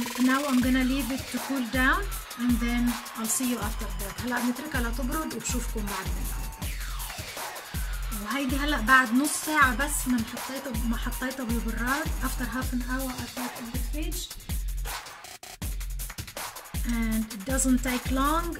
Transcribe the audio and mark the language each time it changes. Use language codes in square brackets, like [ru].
[en] Now I'm gonna leave it to cool down and then I'll see you after that. [ar] هلا نتركها لتبرد وبشوفكم بعدين. وهيدي هلا بعد نص ساعة بس من ما حطيتها بالبراد. [en] After half an hour I put in the fridge and it doesn't take long.